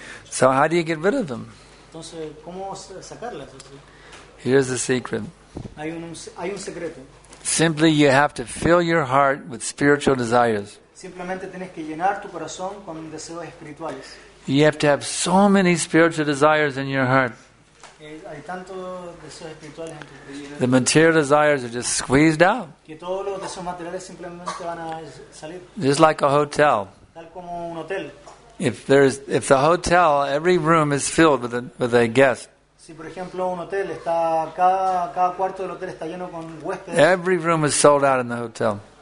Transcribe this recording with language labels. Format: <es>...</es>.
<en>So how do you get rid of them?</en> <es>Entonces, ¿cómo sacarlas?</es> <en>Here's the secret.</en> <es>Hay un secreto.</es> <en>Simply you have to fill your heart with spiritual desires.</en> <es>Simplemente tienes que llenar tu corazón con deseos espirituales.</es> <en>You have to have so many spiritual desires in your heart.</en> <es>Hay tantos deseos espirituales en tu corazón.</es> <en>The material desires are just squeezed out.</en> <es>Que todos los deseos materiales simplemente van a salir.</es> <en>Just like a hotel.</en> <es>Tal como un hotel.</es> <en>If the hotel, every room is filled with a guest.</en> <es>Si por ejemplo un hotel está cada cuarto del hotel está lleno con huéspedes.</es> <en>Every room is sold out in the hotel.</en>